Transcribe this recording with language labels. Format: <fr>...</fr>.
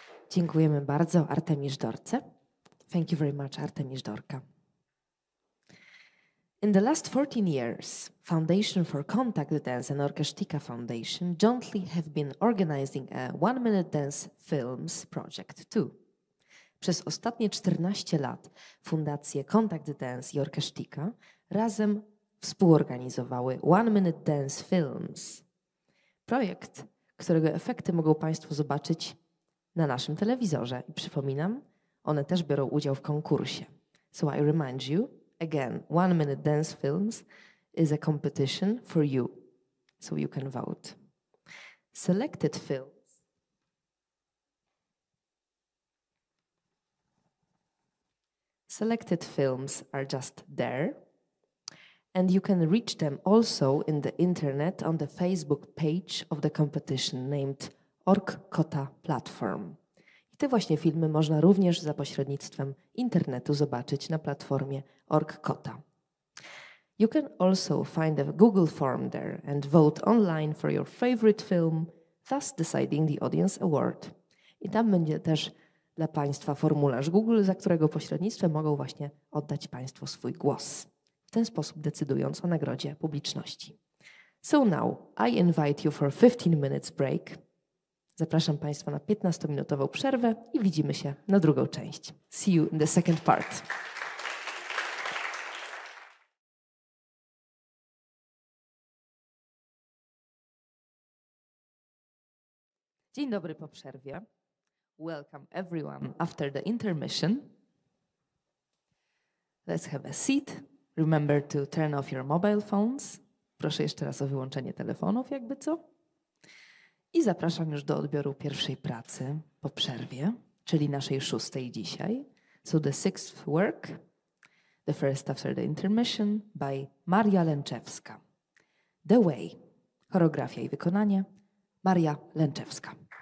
<pl>Dziękujemy bardzo Artemisz Dorce.</pl> <en>Thank you very much, Artemisz Dorka. In the last 14 years, Foundation for Contact Dance and Orkestika Foundation jointly have been organizing a one-minute dance films project too.</en> <pl>Przez ostatnie 14 lat Fundacje Contact Dance i Orkestika razem współorganizowały one-minute dance films. Projekt, którego efekty mogą Państwo zobaczyć na naszym telewizorze. I przypominam, one też biorą udział w konkursie.</pl> <en>So I remind you, again, One Minute Dance Films is a competition for you, so you can vote. Selected films. Selected films are just there. And you can reach them also in the internet on the Facebook page of the competition named Ork Kota Platform.</en> <pl>I te właśnie filmy można również za pośrednictwem internetu zobaczyć na platformie Ork Kota.</pl> <en>You can also find a Google form there and vote online for your favorite film, thus deciding the audience award.</en> <pl>I tam będzie też dla Państwa formularz Google, za którego pośrednictwem mogą właśnie oddać Państwo swój głos, w ten sposób decydując o nagrodzie publiczności.</pl> <en>So now I invite you for a 15 minutes break.</en> <pl>Zapraszam Państwa na 15-minutową przerwę i widzimy się na drugą część.</pl> <en>See you in the second part.</en> <pl>Dzień dobry po przerwie.</pl> <en>Welcome everyone after the intermission. Let's have a seat. Remember to turn off your mobile phones.</en> <pl>Proszę jeszcze raz o wyłączenie telefonów, jakby co. I zapraszam już do odbioru pierwszej pracy po przerwie, czyli naszej szóstej dzisiaj.</pl> <en>So the sixth work, the first after the intermission, by Maria Lęczewska.</en> <pl>The Way, choreografia i wykonanie, Maria Lęczewska.</pl>